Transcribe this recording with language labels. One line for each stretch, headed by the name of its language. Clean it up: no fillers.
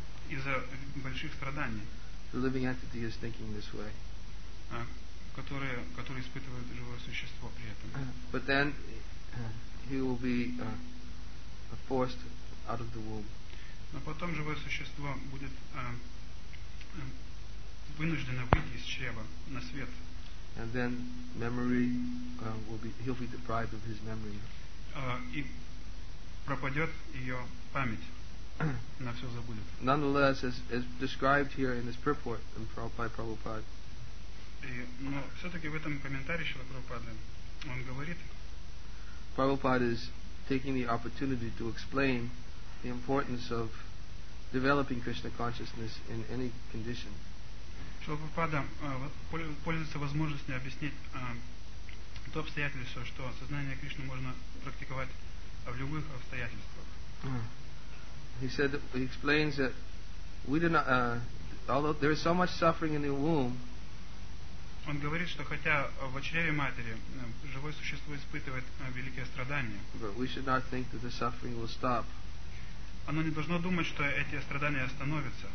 Russian: Из-за больших страданий.
English: The living entity is thinking this way.
Russian: Который испытывает живое существо при этом.
English: But then he will be forced out of the womb.
Russian: Но потом живое существо будет вынуждено выйти из чрева на свет.
English: And then memory he'll be deprived of his memory.
Russian: И пропадет ее память.
English: Nonetheless, as described here in this purport by Prabhupada.
Russian: Но все-таки в этом комментарии Шрила Прабхупады он говорит.
English: Prabhupada is taking the opportunity to explain the importance of developing Krishna consciousness in any condition.
Russian: Шрила Прабхупада пользуется возможностью объяснить то обстоятельство, что сознание Кришны можно практиковать в любых обстоятельствах.
English: He said that, he explains that we do not although there is so much suffering in the womb.
Russian: Он говорит, что хотя в чреве матери живое существо испытывает великие страдания.
English: But we should not think that the suffering will stop.
Russian: Оно не должно думать, что эти страдания остановятся.